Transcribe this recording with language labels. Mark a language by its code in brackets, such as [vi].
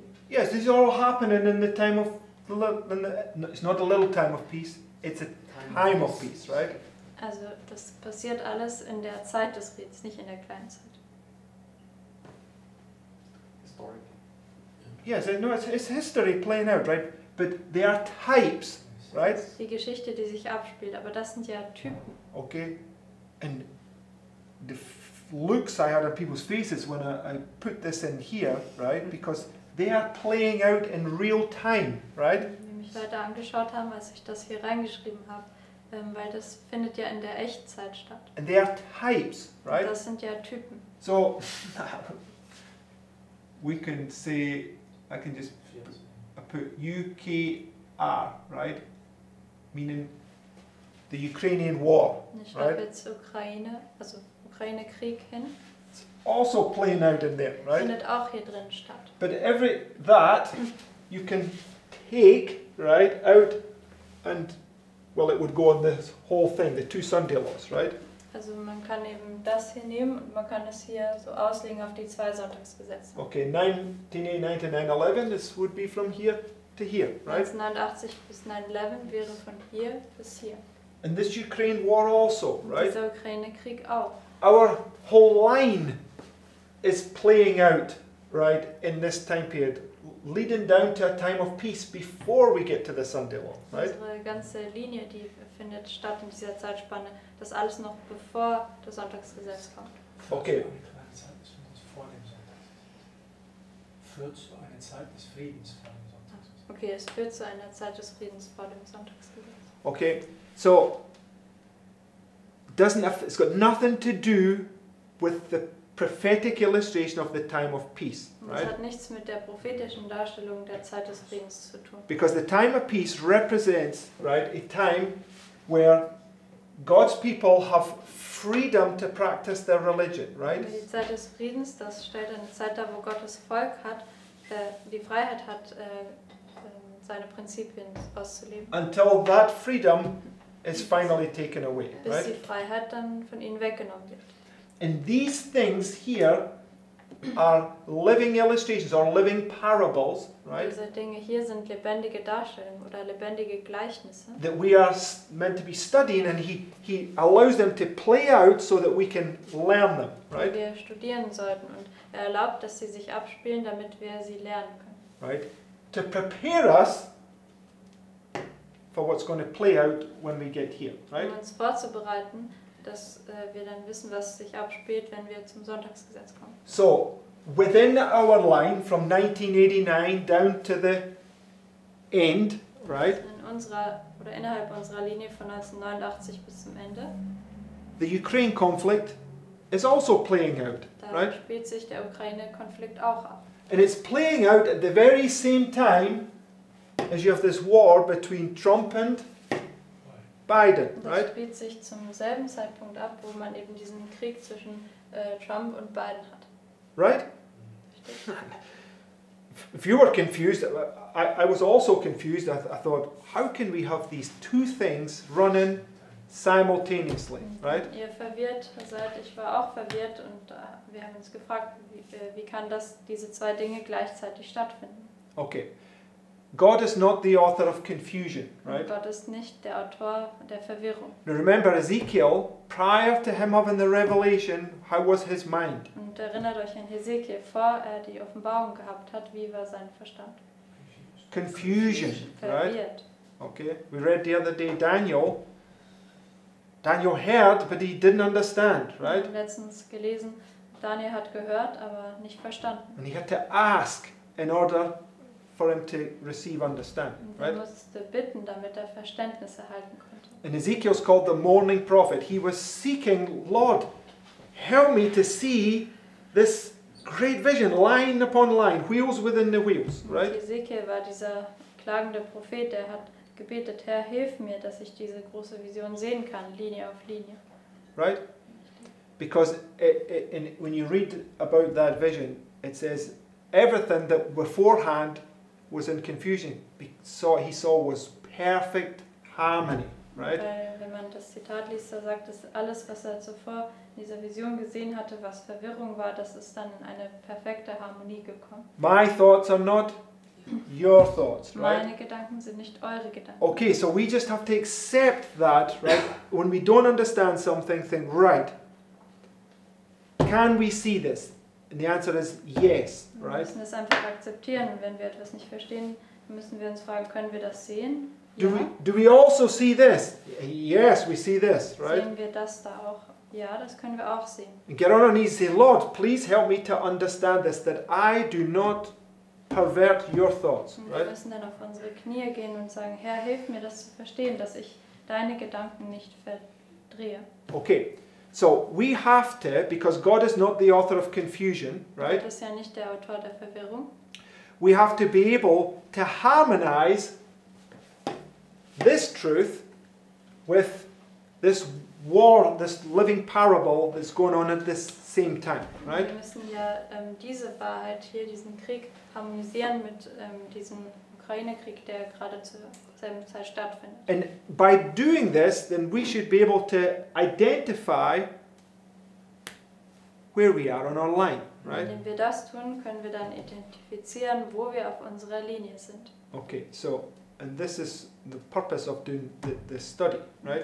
[en] Yes, this is all happening in the time of the little, it's not a little time of peace, it's a time of peace, right? [de] Also, das passiert alles in der Zeit des Friedens, nicht in der kleinen Zeit. [en] Historic. Yes, no, it's history playing out, right? But they are types, right? [de] Die Geschichte, die sich abspielt, aber das sind ja Typen. [en] Okay, and the looks I had on people's faces when I put this in here, right? Because they are playing out in real time, right? [de] Wie mich Leute angeschaut haben, als ich das hier reingeschrieben habe, weil das findet ja in der Echtzeit statt. [en] And they are types, right? [de] Und das sind ja Typen. [en] So, we can say, I can just put UKR, right? Meaning the Ukrainian war, right? [de] Ich schreibe jetzt Ukraine, also Ukraine-Krieg hin. [en] It's also playing out in there, right? [de] Findet auch hier drin statt. [en] But every that you can take, right, out and, well, it would go on this whole thing, the two Sunday laws, right? [de] Also man kann eben das hier nehmen und man kann es hier so auslegen auf die zwei Sonntagsgesetze. [en] Okay, 1989-11, this would be from here to here, right? [de] 1989 bis 9/11 wäre von hier bis hier. [en] And this Ukraine war also, right? [de] Dieser Ukraine-Krieg auch. [en] Our whole line is playing out, right, in this time period, leading down to a time of peace before we get to the Sunday law, right? [de] Unsere ganze Linie, die findet statt in dieser Zeitspanne, das alles noch bevor das Sonntagsgesetz kommt. [en] Okay. [de] Vor dem Sonntagsgesetz. Führt zu einer Zeit des Friedens vor dem Sonntagsgesetz. Okay, es führt zu einer Zeit des Friedens vor dem Sonntagsgesetz. [en] Okay, so doesn't have, it's got nothing to do with the prophetic illustration of the time of peace, right? [de] Das hat nichts mit der prophetischen Darstellung der Zeit des Friedens zu tun. [en] Because the time of peace represents, right, a time where God's people have freedom to practice their religion, right? [de] Die Zeit des Friedens, das stellt eine Zeit dar, wo Gottes Volk hat die Freiheit hat, seine Prinzipien auszuleben. [en] Until that freedom is finally taken away, [de] bis [en] right? [de] Bis die Freiheit dann von ihnen weggenommen wird. [en] And these things here are living illustrations or living parables, right? [de] Diese Dinge hier sind lebendige Darstellungen oder lebendige Gleichnisse. [en] That we are meant to be studying, and he allows them to play out so that we can learn them, right? [de] Wir studieren sollten und er erlaubt, dass sie sich abspielen, damit wir sie lernen können. [en] Right? To prepare us for what's going to play out when we get here, right? [de] Um uns vorzubereiten, dass wir dann wissen, was sich abspielt, wenn wir zum Sonntagsgesetz kommen. [en] So, within our line from 1989 down to the end, right? [de] In unserer oder innerhalb unserer Linie von 1989 bis zum Ende. [en] The Ukraine conflict is also playing out, right? [de] Da spielt sich der Ukraine-Konflikt auch ab. [en] And it's playing out at the very same time as you have this war between Trump and Biden, right? [de] Das spielt sich zum selben Zeitpunkt ab, wo man eben diesen Krieg zwischen Trump und Biden hat. [en] Right? If you were confused, I was also confused. I thought, how can we have these two things running simultaneously, right? [de] Ihr verwirrt seid, ich war auch verwirrt und wir haben uns gefragt, wie kann das diese zwei Dinge gleichzeitig stattfinden? [en] Okay. God is not the author of confusion, right? [de] Gott ist nicht der Autor der Verwirrung. [en] Now remember Ezekiel, prior to him having the revelation, how was his mind? [de] Und erinnert euch an Ezekiel, vor er die Offenbarung gehabt hat, wie war sein Verstand? [en] Confusion, [de] verwirrt. [en] Right? Okay, we read the other day Daniel. Daniel heard, but he didn't understand, right? [de] Letztens gelesen, Daniel hat gehört, aber nicht verstanden. [en] And he had to ask in order for him to receive understanding, right? [de] Er musste bitten, damit er Verständnis erhalten konnte. [en] And Ezekiel is called the mourning prophet. He was seeking, Lord, help me to see this great vision, line upon line, wheels within the wheels, right? [de] Ezekiel war dieser klagende Prophet, der hat gebetet, Herr, hilf mir, dass ich diese große Vision sehen kann, Linie auf Linie. [en] Right? Because when you read about that vision, it says everything that beforehand was in confusion, he saw was perfect harmony, right? [de] Wenn man das Zitat liest, da sagt es, alles, was er zuvor in dieser Vision gesehen hatte, was Verwirrung war, das ist dann in eine perfekte Harmonie gekommen. [en] My thoughts are not your thoughts, right? [de] Meine Gedanken sind nicht eure Gedanken. [en] Okay, so we just have to accept that, right? When we don't understand something, think, right, can we see this? And the answer is yes, right? [de] Wir müssen es einfach akzeptieren. Wenn wir etwas nicht verstehen, müssen wir uns fragen, können wir das sehen? [en] Do we also see this? Yes, we see this, right? [de] Sehen wir das da auch? Ja, das können wir auch sehen. [en] And get on our knees and say, Lord, please help me to understand this, that I do not pervert your thoughts, right? [de] Wir müssen dann auf unsere Knie gehen und sagen, Herr, hilf mir, das zu verstehen, dass ich deine Gedanken nicht verdrehe. [en] Okay. So we have to, because God is not the author of confusion, right? [de] Gott ist ja nicht der Autor der Verwirrung. [en] We have to be able to harmonize this truth with this war, this living parable that's going on at this same time, right? [de] Wir müssen ja diese Wahrheit hier, diesen Krieg, harmonisieren mit diesem Ukraine-Krieg, der gerade zur selben Zeit stattfindet. [en] And by doing this, then we should be able to identify where we are on our line, right? [de] Wenn wir das tun, können wir dann identifizieren, wo wir auf unserer Linie sind. [en] Okay, so, and this is the purpose of doing the study, right?